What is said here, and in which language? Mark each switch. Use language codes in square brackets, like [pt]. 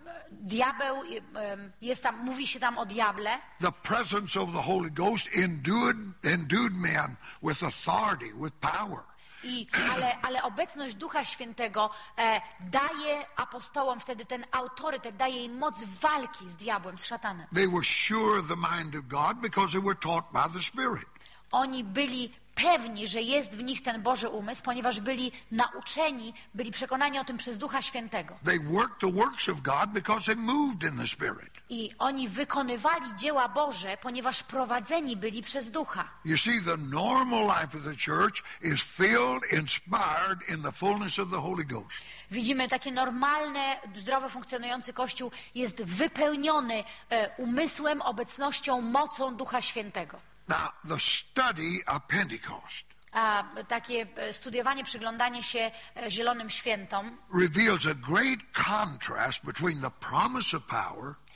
[pl] Diabeł jest tam, mówi się tam o diable. [en] The presence of the Holy Ghost endued men with authority, with power. [pl] Ale obecność Ducha Świętego daje apostołom wtedy ten autorytet, daje im moc walki z diabłem, z szatanem. [en] They were sure of the mind of God because they were taught by the Spirit. [pl] Oni byli pewni, że jest w nich ten Boży umysł, ponieważ byli nauczeni, byli przekonani o tym przez Ducha Świętego. [en] They worked the works of God because they moved in the Spirit. [pl] I oni wykonywali dzieła Boże, ponieważ prowadzeni byli przez Ducha. [en] You see, the normal life of the church is filled, inspired in the fullness of the Holy Ghost. [pl] Widzimy, takie normalne, zdrowo funkcjonujący kościół jest wypełniony umysłem, obecnością, mocą Ducha Świętego. [en] Now, the study of Pentecost. [pl] Takie studiowanie, przyglądanie się zielonym świętom [en] reveals a great contrast between the promise of power.